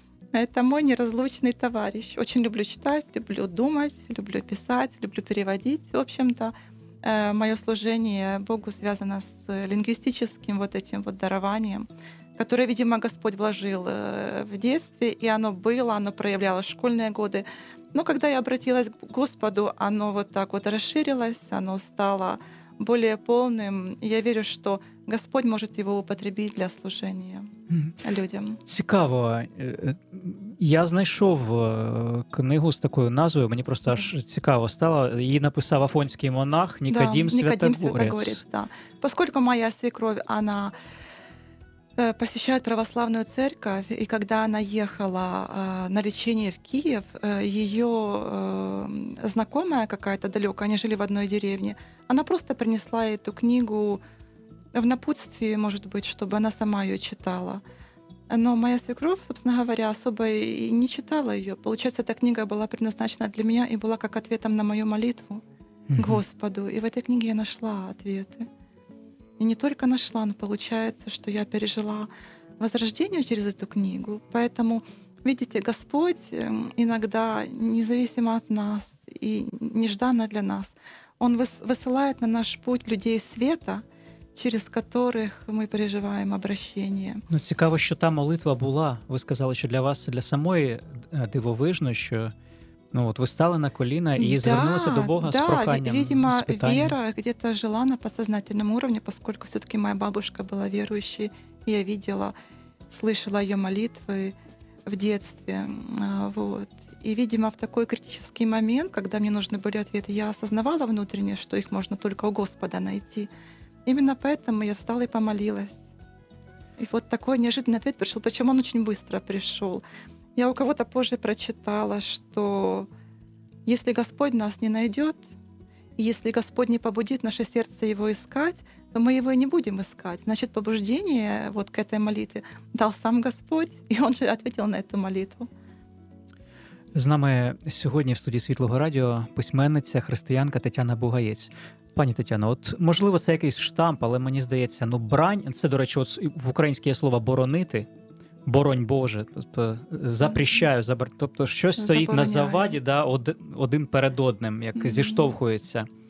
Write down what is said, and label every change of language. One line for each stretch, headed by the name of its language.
Russian: Это мой неразлучный товарищ. Очень люблю читать, люблю думать, люблю писать, люблю переводить. В общем-то, мое служение Богу связано с лингвистическим вот этим вот дарованием, которое, видимо, Господь вложил в детстве, и оно было, оно проявлялось в школьные годы. Но когда я обратилась к Господу, оно вот так вот расширилось, оно стало более полным. И я верю, что Господь может его употребить для служения людям.
Ukrainian: Цікаво. Я знайшов книгу з такою назвою, мені просто аж цікаво стало. Її написав афонський монах Нікодім Святогорець.
Russian: Да. Поскольку моя свекровь, вона посещает православную церковь, и когда она ехала на лечение в Киев, ее знакомая какая-то далекая, они жили в одной деревне, она просто принесла эту книгу в напутствие, может быть, чтобы она сама ее читала. Но моя свекровь, собственно говоря, особо и не читала ее. Получается, эта книга была предназначена для меня и была как ответом на мою молитву Господу. И в этой книге я нашла ответы. И не только нашла, но получается, что я пережила возрождение через эту книгу. Поэтому, видите, Господь иногда, независимо от нас и нежданно для нас, Он высылает на наш путь людей света, через которых мы переживаем обращение.
Ukrainian: Ну, цікаво, що та молитва була. Ви сказали, що для вас, для самої дивовижно, що ну, от ви стали на коліна і звернулися до Бога з проханням,
Russian: видимо,
Ukrainian: з питанням. Віра
Russian: где-то
Ukrainian: жила на підсознательному рівні,
Russian: поскольку
Ukrainian: все-таки моя
Russian: бабушка
Ukrainian: була віруючою, і я
Russian: видела, слышала
Ukrainian: її молитви в детстві.
Russian: Вот.
Ukrainian: І, видимо, в такий критичний момент, коли мені потрібні були відповіді, я осознавала внутрішньо, що їх можна тільки у Господа знайти. Іменно тому я встала і помолилась. І от такий неожиданий відповідь прийшов, причому він дуже швидко прийшов.
Russian: Я у кого-то позже прочитала, что если Господь нас не найдет, если Господь не побудит наше сердце его искать, то мы его и не будем искать. Значит, побуждение вот к этой молитве дал сам Господь, и Он же ответил на эту молитву.
Ukrainian: З нами сьогодні в студії Світлого Радіо письменниця, християнка Тетяна Бугаєць. Пані Тетяно, от можливо, це якийсь штамп, але мені здається, ну брань, це, до речі, от в українське є слово «боронити», «Боронь Боже», тобто «запрещаю», тобто щось стоїть на заваді, да, один перед одним, як зіштовхується.